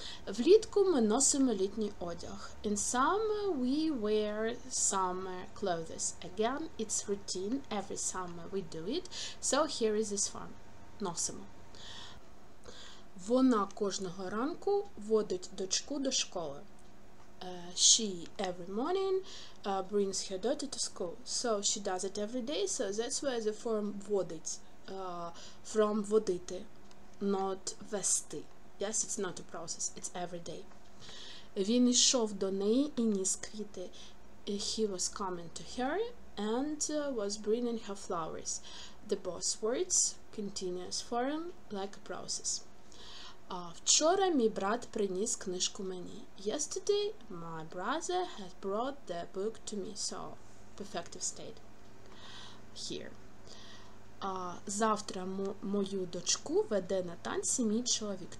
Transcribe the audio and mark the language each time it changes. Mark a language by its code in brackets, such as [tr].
[uk] Влітку ми носимо літній одяг. [en] In summer we wear summer clothes. Again, it's routine, every summer we do it. So here is this form, носимо. [uk] Вона кожного ранку водить дочку до школи. [en] She every morning brings her daughter to school. So she does it every day. So that's why the form водить, from водити, not вести. Yes, it's not a process. It's every day. [uk] Він йшов до неї і ніс квіти. [en] He was coming to her and was bringing her flowers. The both words, continuous form, like a process. [uk] Вчора мій брат приніс книжку мені. [en] Yesterday, my brother has brought the book to me. So, perfective state here. [uk] Завтра мою дочку веде на танці мій чоловік.